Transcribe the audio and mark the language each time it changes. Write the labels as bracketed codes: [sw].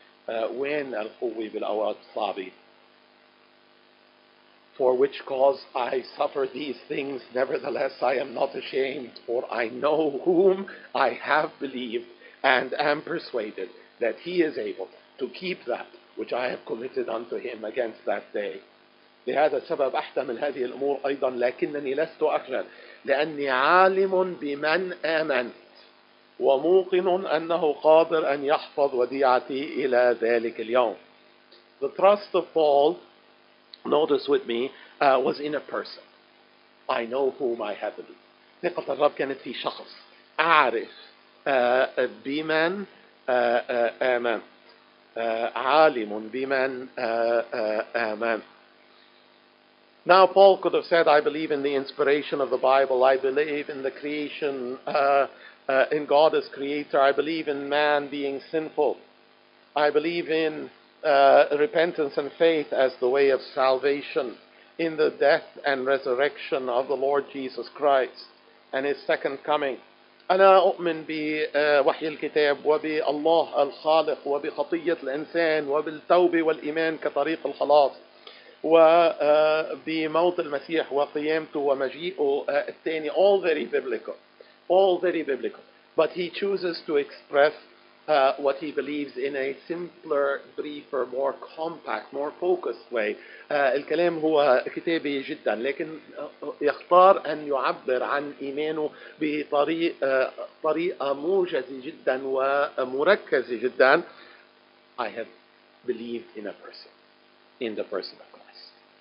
[ar] وين القوة بالأوقات الصعبة؟ [en] For which cause I suffer these things, nevertheless I am not ashamed, for I know whom I have believed and am persuaded that he is able to keep that which I have committed unto him against that day. [ar] لهذا السبب أحتمل هذه الأمور أيضا لكنني لست أخجل لأني عالم بمن آمن وموقن أنه قادر أن يحفظ وديعتي إلى ذلك اليوم. [en] The trust of Paul, notice with me, was in a person. I know whom I have believed. [ar] ثقة الرب كانت في شخص. أعرف بمن آمنت. عالم بمن آمنت. [en] Now Paul could have said, I believe in the inspiration of the Bible. I believe in the creation in God as creator. I believe in man being sinful. I believe in repentance and faith as the way of salvation, in the death and resurrection of the Lord Jesus Christ and his second coming. [ar] أنا أؤمن بوحي الكتاب وبالله الخالق وبخطية الإنسان وبالتوبة والإيمان كطريق الخلاص وبموت المسيح وقيامته ومجيئه الثاني. [en] All very biblical. All very biblical. But he chooses to express what he believes in a simpler, briefer, more compact, more focused way. [ar] الكلام هو كتابي جدا لكن يختار أن يعبر عن إيمانه بطريقة موجزة جدا ومركزة جدا. [en] I have believed in a person, in the person of Christ.